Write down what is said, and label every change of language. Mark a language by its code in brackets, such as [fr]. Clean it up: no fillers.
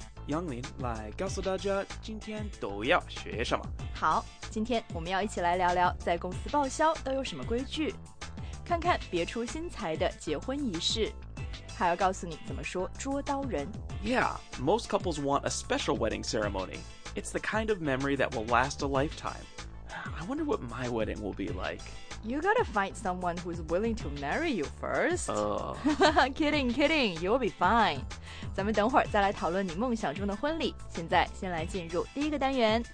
[zh] 杨林来告诉大家今天都要学什么。好，今天我们要一起来聊聊在公司报销都有什么规矩，看看别出心裁的结婚仪式，还要告诉你怎么说捉刀人。 [en] Yeah, most couples want a special wedding ceremony. It's the kind of memory that will last a lifetime. I wonder what my wedding will be like. You gotta find someone who's willing to marry you first. kidding, kidding, you'll be fine. [zh] 咱们等会儿再来讨论你梦想中的婚礼，现在先来进入第一个单元。